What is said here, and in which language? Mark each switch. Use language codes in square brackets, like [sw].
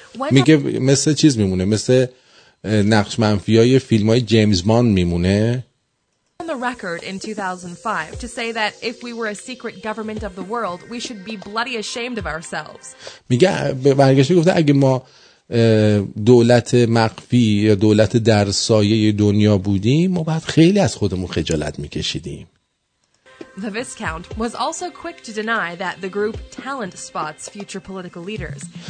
[fa] میگه مثل چیز میمونه، مثل نقش منفی های فیلم های جیمز باند میمونه. [en] On the record in 2005 to say that if we were a secret government of the world we should be bloody ashamed of ourselves. [fa] میگه برگشته گفته اگه ما دولت مخفی یا دولت در سایه دنیا بودیم ما باید خیلی از خودمون خجالت میکشیدیم. [en] The Viscount was also quick to deny that the group talent spots future political leaders.